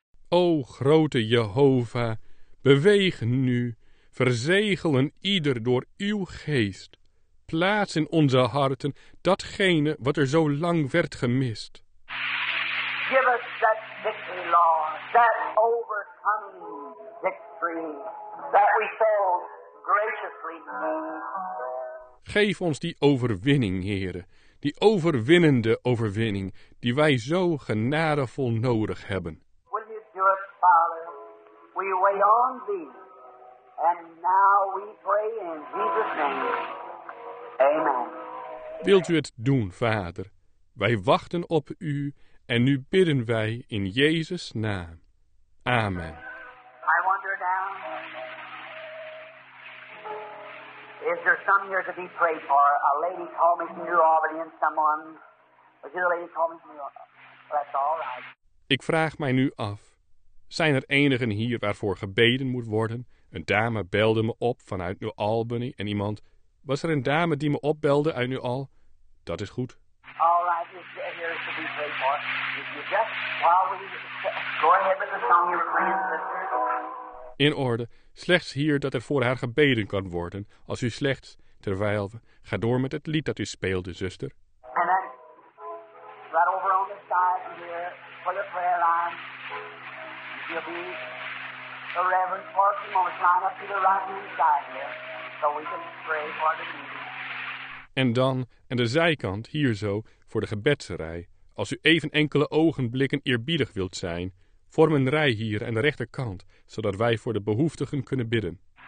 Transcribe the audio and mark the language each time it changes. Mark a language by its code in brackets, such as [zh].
[nl] O grote Jehovah, beweeg nu, verzegelen ieder door uw geest. Plaats in onze harten datgene wat er zo lang werd gemist. [en] Give us that victory, Lord, that overcoming victory, that we so graciously need. [nl] Geef ons die overwinning, Heere. Die overwinnende overwinning die wij zo genadevol nodig hebben. [en] Will you do it, Father? We wait on thee. And now we pray in Jesus' name. Amen. [nl] Wilt u het doen, Vader? Wij wachten op u en nu bidden wij in Jezus' naam. Amen. [en] I wonder now, is there some here to be prayed for? A lady called me from New Albany and someone. Was you the lady called me from New Albany? That's all right. [nl] Ik vraag mij nu af, zijn er enigen hier waarvoor gebeden moet worden? Een dame belde me op vanuit New Albany en iemand. Was er een dame die me opbelde uit New Albany? Dat is goed. [en] All right, this here is to be prayed for. If you just, while we go ahead with the song you're playing, sister. [nl] In orde. Slechts hier dat er voor haar gebeden kan worden. Als u slechts, terwijl we, ga door met het lied dat u speelde, zuster. [en] And then, right over on the side here, for the prayer line, you'll be the reverend for a few moments. Line up to the right hand side here, so we can pray for the meeting. [nl] En dan, aan de zijkant, hier zo, voor de gebedsrij. Als u even enkele ogenblikken eerbiedig wilt zijn, vorm een rij hier aan de rechterkant, zodat wij voor de behoeftigen kunnen bidden.